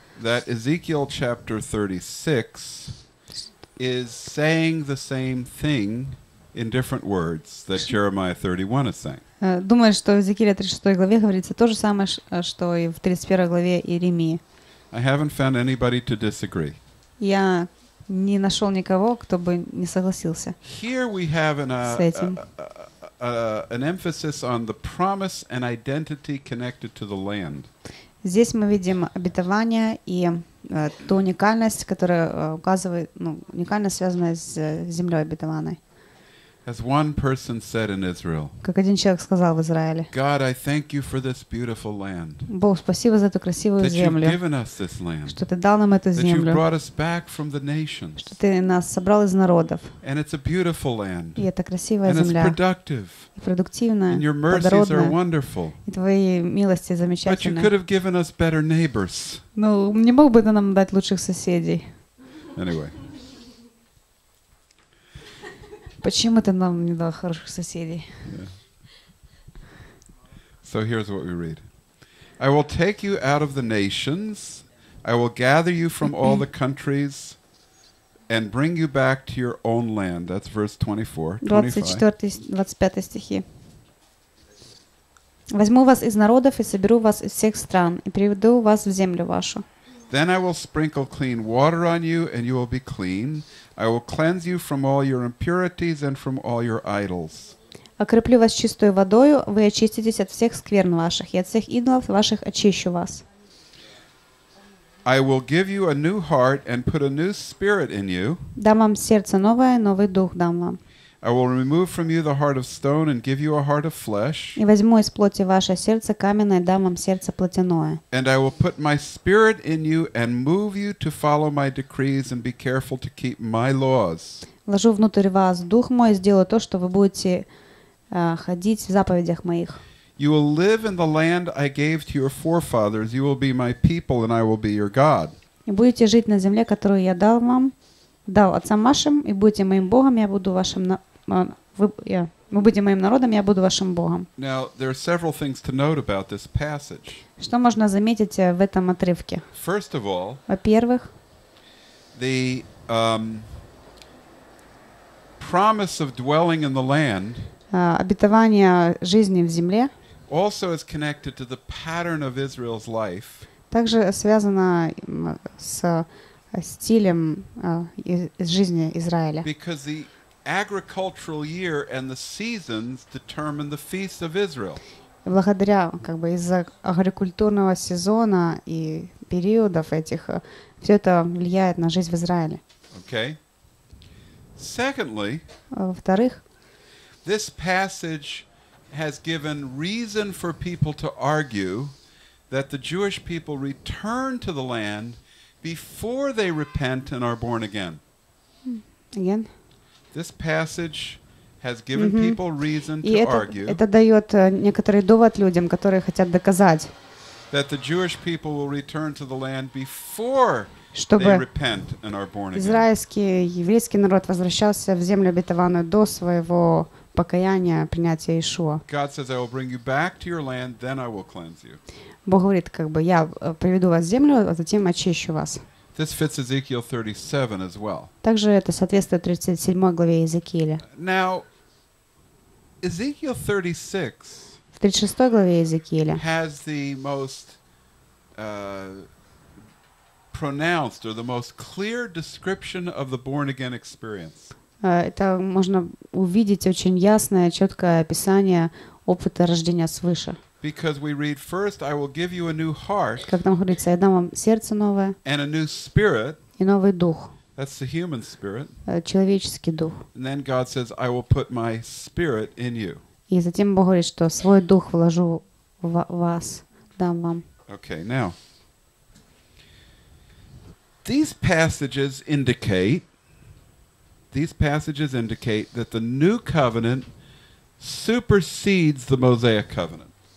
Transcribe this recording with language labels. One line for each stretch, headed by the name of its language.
English: that Ezekiel chapter 36 is saying the same thing in different words that Jeremiah 31 is saying.
Russian: Думают, что в Иезекииле 36 главе говорится то же самое, что и в 31 главе Иеремии.
English: I haven't found anybody to disagree.
Russian: Я не нашел никого, кто бы не согласился.
English: Here we have an emphasis on the promise and identity connected to the land.
Russian: Здесь мы видим обетование и ту уникальность, которая указывает, ну, уникальность, связанная с землей обетованной.
English: As one person said in Israel.
Russian: Как один человек сказал в Израиле.
English: God, I thank you for this beautiful land.
Russian: Бог, спасибо за эту красивую землю.
English: That you've given us this land.
Russian: Что ты дал нам эту землю.
English: That you've brought us back from the nations.
Russian: Что ты нас собрал из народов.
English: And it's a beautiful land.
Russian: И это красивая земля.
English: And it's productive.
Russian: И продуктивная.
English: And your mercies are wonderful.
Russian: И твои милости замечательны.
English: But you could have given us better neighbors.
Russian: Ну, не мог бы ты нам дать лучших соседей.
English: Anyway.
Russian: Почему ты нам не дал хороших соседей?
English: Yeah. So here's what we read. I will take you out of the nations, I will gather you from all the countries, and bring you back to your own land. That's verse
Russian: 24-25 стихи. Возьму вас из народов и соберу вас из всех стран и приведу вас в землю вашу.
English: Then I will sprinkle clean water on you, and you will be clean. I will cleanse you from all your impurities and from all your idols.
Russian: Окреплю вас чистой водою, вы очиститесь от всех скверн ваших, и от всех идолов ваших очищу вас.
English: I will give you a new heart and put a new spirit in you.
Russian: Дам вам сердце новое, новый дух дам вам.
English: I will remove from you the heart of stone and give you a heart of flesh.
Russian: И возьму из плоти ваше сердце каменное, дам вам сердце плотяное.
English: And I will put my spirit in you and move you to follow my decrees and be careful to keep my laws.
Russian: Вложу внутрь вас дух мой и сделаю то, что вы будете ходить в заповедях моих.
English: You will live in the land I gave to your forefathers. You will be my people and I will be your God.
Russian: И будете жить на земле, которую я дал вам. Дал отцам вашим, и будете моим Богом, я буду вашим вы будете моим народом, я буду вашим Богом.
English: Now, there are several things to note about this passage.
Russian: Что можно заметить в этом отрывке?
English: First of all,
Russian: во-первых,
English: the promise of dwelling in the land,
Russian: обетование жизни в земле,
English: also is connected to the pattern of Israel's life.
Russian: Также связано с стилем из жизни Израиля.
English: Because the agricultural year and the seasons determine the feast of Israel.
Russian: Благодаря как бы из-за агрокультурного сезона и периодов этих все это влияет на жизнь в Израиле.
English: Okay. Secondly.
Russian: Во-вторых.
English: This passage has given reason for people to argue that the Jewish people return to the land before they repent and are born again. Again. This passage has given mm-hmm. people reason
Russian: и
English: to
Russian: это,
English: argue.
Russian: Это дает некоторый довод людям, которые хотят доказать.
English: That the Jewish people will return to the land before they repent and are born again.
Russian: Израильский еврейский народ возвращался в землю обетованную до своего покаяния, принятия Иешуа.
English: God says, "I will bring you back to your land, then I will cleanse you."
Russian: Бог говорит, как бы, я приведу вас в землю, а затем очищу вас.
English: This fits Ezekiel 37 as well.
Russian: Также это соответствует 37 главе Иезекииля.
English: Now, Ezekiel 36,
Russian: в 36 главе Иезекииля
English: has the most pronounced or the most clear description of the born-again experience.
Russian: Это можно увидеть очень ясное, четкое описание опыта рождения свыше.
English: Because we read first, I will give you a new heart.
Russian: Как там говорится, я дам вам сердце новое.
English: And a new spirit.
Russian: И новый дух.
English: That's the human spirit.
Russian: Человеческий дух.
English: And then God says, I will put my spirit in you.
Russian: И затем Бог говорит, что свой дух вложу в вас, дам вам.
English: Okay, now these passages indicate that the new covenant supersedes the Mosaic covenant.